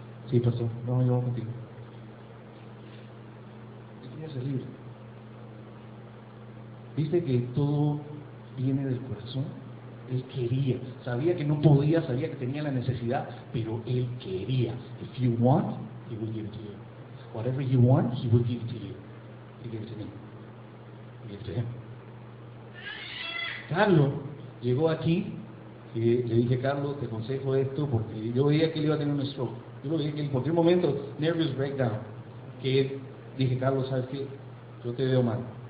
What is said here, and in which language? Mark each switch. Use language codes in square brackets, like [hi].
[es] Sí, pastor. No, yo voy contigo. Quería ser libre. ¿Viste que todo viene del corazón? Él quería. Sabía que no podía, sabía que tenía la necesidad, pero él quería. [en] If you want, he will give it to you. Whatever you want, he will give it to you. [es] Carlos llegó aquí y le dije, Carlos, te aconsejo esto porque yo veía que él iba a tener un stroke. Yo lo veía que en cualquier momento, [en] nervous breakdown, [es] que dije, Carlos, ¿sabes qué? Yo te veo mal.